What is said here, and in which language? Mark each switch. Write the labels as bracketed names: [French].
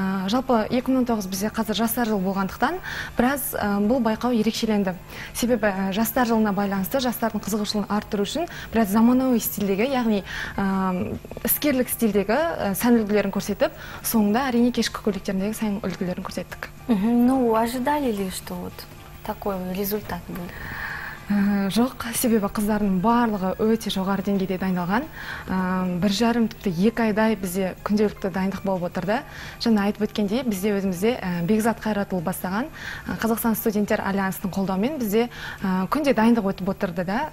[Kazakh] Жалпы 2009 бізде қазір жастар жыл болғандықтан біраз бұл байқау ерекшеленді. Себебі жастар жылына байланысты жастардың қызығушылығын арттыру үшін біраз заманауи стильдегі, яғни іскерлік стильдегі сән үлгілерін көрсетіп, соңында әрине кешкі көйлектеріндегі сән үлгілерін көрсеттік. [Russian] Ну, ожидали ли, что вот такой результат был? [Kazakh] Жоқ, себебі қыздарының барлығы өте жоғары деңгейде дайындалған. Бір жарым тіпті екі айдай бізде күнделікті дайындық болып отырды. Жаңа айтып өткенде бізде өзімізде Бекзат Қайратұлы бастаған Қазақстан студенттер альянсының қолдауымен бізде күнде дайындық өтіп отырды да.